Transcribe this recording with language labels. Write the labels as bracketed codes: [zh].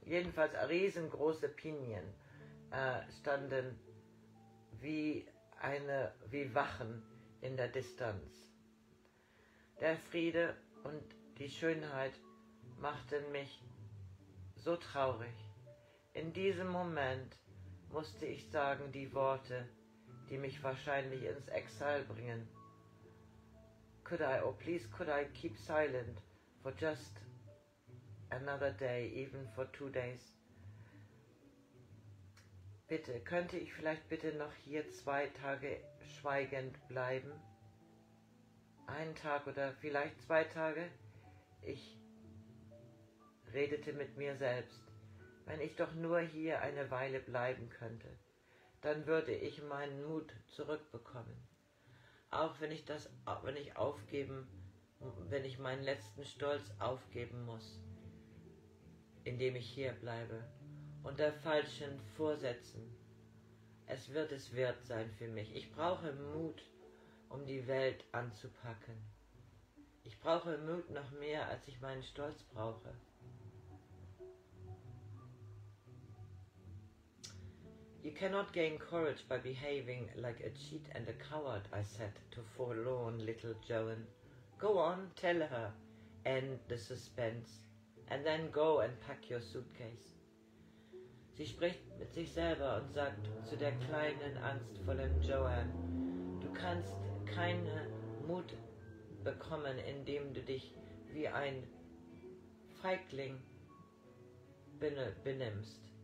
[de] Jedenfalls riesengroße Pinien standen wie Wachen in der Distanz. Der Friede und die Schönheit machten mich so traurig. In diesem Moment musste ich sagen die Worte, die mich wahrscheinlich ins Exil bringen. [en] Could I, oh please, could I keep silent for just another day, even for 2 days? [de] Bitte, könnte ich vielleicht bitte noch hier 2 Tage schweigend bleiben? Ein Tag oder vielleicht 2 Tage? Ich redete mit mir selbst. Wenn ich doch nur hier eine Weile bleiben könnte, dann würde ich meinen Mut zurückbekommen. Auch wenn ich das, wenn ich meinen letzten Stolz aufgeben muss, indem ich hier bleibe, unter falschen Vorsätzen. Es wird es wert sein für mich. Ich brauche Mut, um die Welt anzupacken. Ich brauche Mut noch mehr, als ich meinen Stolz brauche. [en] You cannot gain courage by behaving like a cheat and a coward, I said to forlorn little Joan. Go on, tell her, end the suspense, and then go and pack your suitcase. [de] Sie spricht mit sich selber und sagt zu der kleinen, angstvollen Joan, du kannst keinen Mut bekommen, indem du dich wie ein Feigling benimmst.